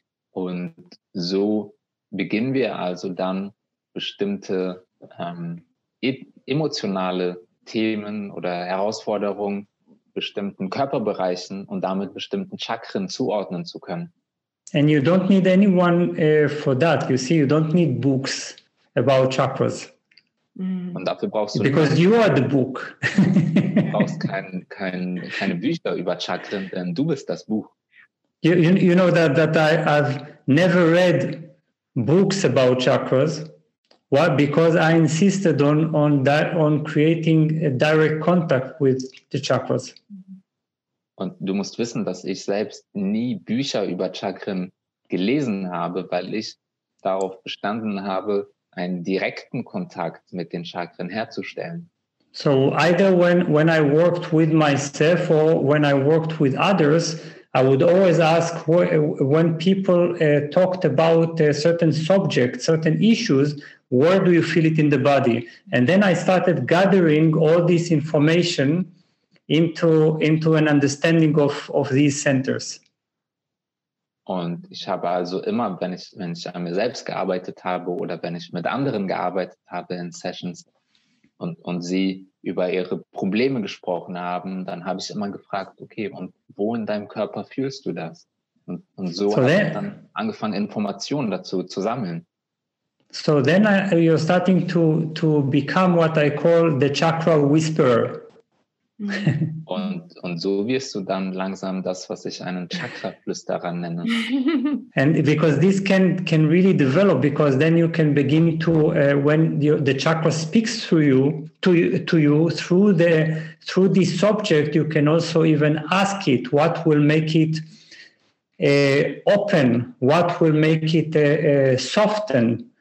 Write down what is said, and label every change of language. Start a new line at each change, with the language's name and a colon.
German: Und so beginnen wir also dann bestimmte emotionale Themen oder Herausforderungen bestimmten Körperbereichen und damit bestimmten Chakren zuordnen zu können.
English: And you don't need anyone for that. You see, you don't need books about chakras.
German: Und dafür brauchst du
English: because you are the book.
German: Du brauchst keine Bücher über Chakren, denn du bist das Buch.
English: You know that I've never read books about chakras. Why? Because I insisted on creating a direct contact with the chakras.
German: Und du musst wissen, dass ich selbst nie Bücher über Chakren gelesen habe, weil ich darauf bestanden habe, einen direkten Kontakt mit den Chakren herzustellen.
English: So either when I worked with myself or when I worked with others, I would always ask when people talked about certain subjects, certain issues, where do you feel it in the body? And then I started gathering all this information into an understanding of these centers.
German: Und ich habe also immer, wenn ich an mir selbst gearbeitet habe oder wenn ich mit anderen gearbeitet habe in Sessions und sie über ihre Probleme gesprochen haben, dann habe ich immer gefragt, okay, und wo in deinem Körper fühlst du das? Und so habe ich dann angefangen, Informationen dazu zu sammeln.
English: So then you're starting to become what I call the chakra whisperer.
German: Und so wirst du dann langsam das, was ich einen Chakra-Flüsterer nenne.
English: And because this can really develop, because then you can begin to when the chakra speaks to you through this subject, you can also even ask it what will make it open, what will make it soften.